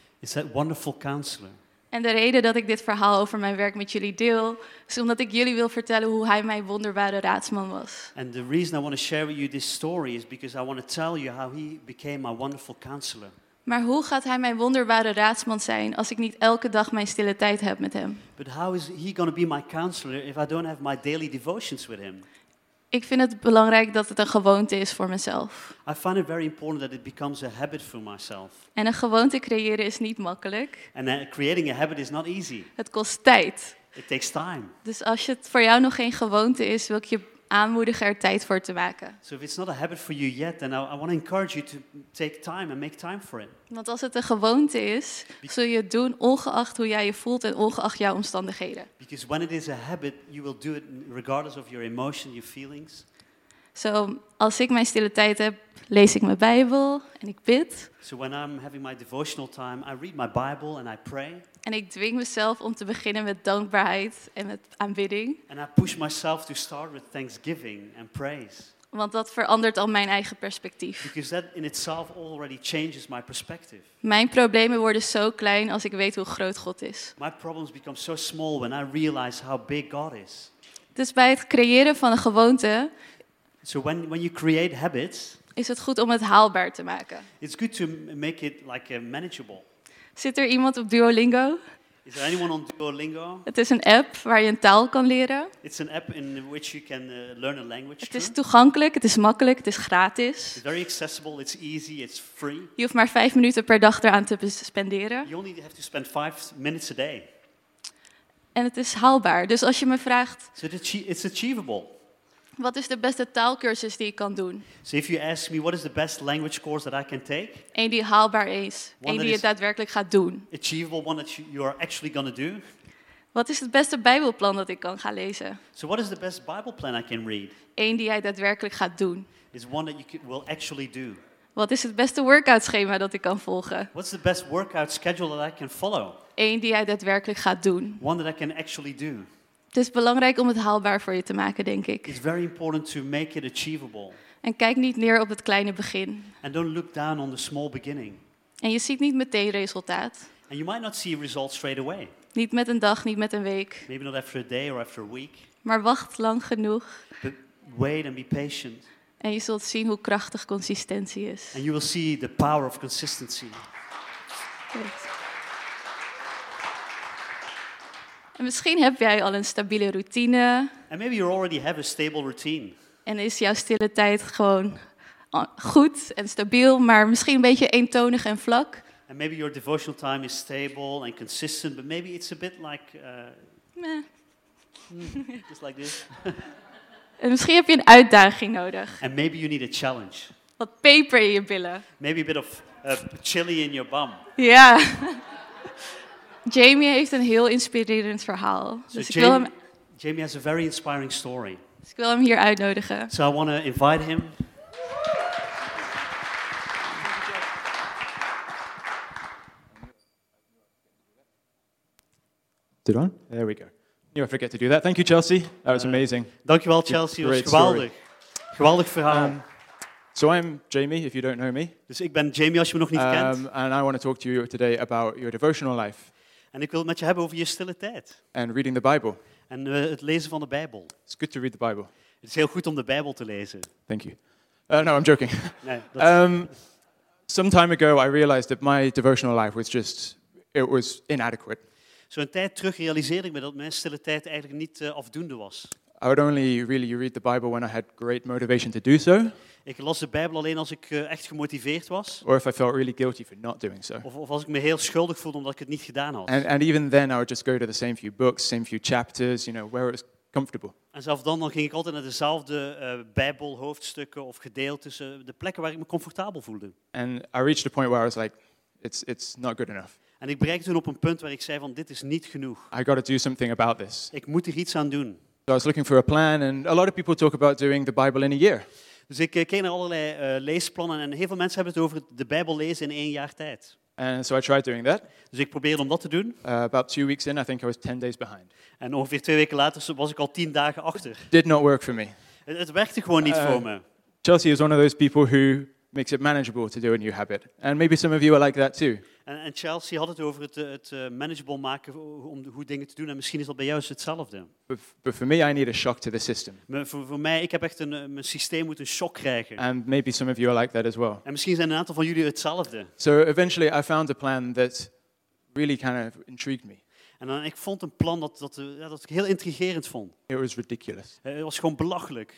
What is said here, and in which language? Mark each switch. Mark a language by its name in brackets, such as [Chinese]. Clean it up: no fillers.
[English] Is that wonderful counselor? [Dutch] En de reden dat ik dit verhaal over mijn werk met jullie deel, is omdat ik jullie wil vertellen hoe hij mijn wonderbare raadsman was. [English] And the reason I want to share with you this story is because I want to tell you how he became my wonderful counselor. [Dutch] Maar hoe gaat hij mijn wonderbare raadsman zijn als ik niet elke dag mijn stille tijd heb met hem? [English] But how is he going to be my counselor if I don't have my daily devotions with him? [Dutch] Ik vind het belangrijk dat het een gewoonte is voor mezelf. [English] I find it very important that it becomes a habit for myself. [Dutch] En een gewoonte creëren is niet makkelijk. [English] And creating a habit is not easy. [Dutch] Het kost tijd. [English] It takes time. [Dutch] Dus als het voor jou nog geen gewoonte is, wil ik je aanmoedigen er tijd voor te maken. [English] So if it's not a habit for you yet, then I want to encourage you to take time and make time for it. [Dutch] Want als het een gewoonte is, zul je het doen ongeacht hoe jij je voelt en ongeacht jouw omstandigheden. [English] Because when it is a habit, you will do it regardless of your emotion, your feelings. [Dutch] So, als ik mijn stille tijd heb, lees ik mijn Bijbel en ik bid. [English] So when I'm having my devotional time, I read my Bible and I pray. [Dutch] En ik dwing mezelf om te beginnen met dankbaarheid en met aanbidding. [English] And I push myself to start with thanksgiving and praise. [Dutch] Want dat verandert al mijn eigen perspectief. [English] Because that in itself already changes my perspective. [Dutch] Mijn problemen worden zo klein als ik weet hoe groot God is. [English] My problems become so small when I realize how big God is. [Dutch] Dus bij het creëren van een gewoonte. [English] So when you create habits, [Dutch] is het goed om het haalbaar te maken. [English] It's good to make it like manageable. [Dutch] Zit er iemand op Duolingo? [English] Is there anyone on Duolingo? [Dutch] Het is een app waar je een taal kan leren. [English] It's an app in which you can learn a language. [Dutch] Het is toegankelijk, het is makkelijk, het is gratis. [English] It's very accessible, it's easy, it's free. [Dutch] Je hoeft maar 5 minuten per dag eraan te spenderen. [English] You only have to spend 5 minutes a day. [Dutch] En het is haalbaar. Dus als je me vraagt, [English] so it's achievable. [Dutch] Wat is de beste taalkursus die ik kan doen? [English] So if you ask me what is the best language course that I can take? [Dutch] Eén die haalbaar is. Eén die je daadwerkelijk gaat doen. [English] Achievable, one that you are actually going to do. [Dutch] Wat is het beste Bijbelplan dat ik kan gaan lezen? [English] So what is the best Bible plan I can read? [Dutch] Eén die jij daadwerkelijk gaat doen. [English] Is one that you will actually do. [Dutch] Wat is het beste workout schema dat ik kan volgen? [English] What's the best workout schedule that I can follow? [Dutch] Eén die jij daadwerkelijk gaat doen. [English] One that I can actually do. [Dutch] Het is belangrijk om het haalbaar voor je te maken, denk ik. [English] It's very important to make it achievable. [Dutch] En kijk niet neer op het kleine begin. [English] And don't look down on the small beginning. [Dutch] En je ziet niet meteen resultaat. [English] And you might not see results straight away. [Dutch] Niet met een dag, niet met een week. [English] Maybe not after a day or after a week. [Dutch] Maar wacht lang genoeg. [English] But wait and be patient. [Dutch] En je zult zien hoe krachtig consistentie is. [English] And you will see the power of consistency. Great. [Dutch] En misschien heb jij al een stabiele routine. [English] And maybe you already have a stable routine. [Dutch] En is jouw stille tijd gewoon goed en stabiel, maar misschien een beetje eentonig en vlak. [English] And maybe your devotional time is stable and consistent, but maybe it's a bit like just like this. [Dutch] En misschien heb je een uitdaging nodig. [English] And maybe you need a challenge. [Dutch] Wat peper in je billen. [English] Maybe a bit of chili in your bum. Ja. Yeah. [Dutch] Jamie heeft een heel inspirerend verhaal. [English] Jamie has a very inspiring story. [Dutch] Dus ik wil hem hier uitnodigen. [English] So I want to invite him. Is it on? There we go. You never forget to do that. Thank you, Chelsea. That was amazing. [Dutch] Dankjewel, Chelsea. Dat was geweldig. Geweldig verhaal. [English] So I'm Jamie, if you don't know me. [Dutch] Dus ik ben Jamie, als je me nog niet kent. [English] And I want to talk to you today about your devotional life. [Dutch] En ik wil het met je hebben over je stille tijd. [English] And reading the Bible. [Dutch] En het lezen van de Bijbel. [English] It's good to read the Bible. [Dutch] Het is heel goed om de Bijbel te lezen. [English] Thank you. No, I'm joking. [Dutch] Nee, [English] some time ago I realized that my devotional life was just, it was inadequate. [Dutch] Zo'n tijd terug realiseerde ik me dat mijn stille tijd eigenlijk niet afdoende was. [English] I would only really read the Bible when I had great motivation to do so. [Dutch] Ik las de Bijbel alleen als ik echt gemotiveerd was. [English] Or if I felt really guilty for not doing so. [Dutch] Of als ik me heel schuldig voelde omdat ik het niet gedaan had. [English] And even then I would just go to the same few books, same few chapters, you know, where it was comfortable. [Dutch] En zelfs dan ging ik altijd naar dezelfde Bijbel hoofdstukken of gedeeltes, de plekken waar ik me comfortabel voelde. [English] And I reached a point where I was like, it's not good enough. [Dutch] En ik bereikte toen op een punt waar ik zei van, dit is niet genoeg. [English] I got to do something about this. [Dutch] Ik moet er iets aan doen. [English] So I was looking for a plan, and a lot of people talk about doing the Bible in a year. [Dutch] Dus ik keek naar allerlei leesplannen en heel veel mensen hebben het over de Bijbel lezen in 1 jaar tijd. [English] And so I tried doing that. [Dutch] Dus ik probeerde om dat te doen. [English] About 2 weeks in, I think I was 10 days behind. [Dutch] En ongeveer 2 weken later was ik al 10 dagen achter. [English] Did not work for me. [Dutch] Het werkte gewoon niet voor me. [English] Chelsea is one of those people who makes it manageable to do a new habit. And maybe some of you are like that too. [Dutch] En Chelsea had het over het manageable maken om hoe dingen te doen. En misschien is dat bij jou hetzelfde. [English] But for me, I need a shock to the system. [Dutch] Voor mij, ik heb echt mijn systeem moet een shock krijgen. [English] And maybe some of you are like that as well. [Dutch] En misschien zijn een aantal van jullie hetzelfde. [English] So eventually I found a plan that really kind of intrigued me. [Dutch] En dan, ik vond een plan dat ik heel intrigerend vond. [English] It was ridiculous. [Dutch] Het was gewoon belachelijk.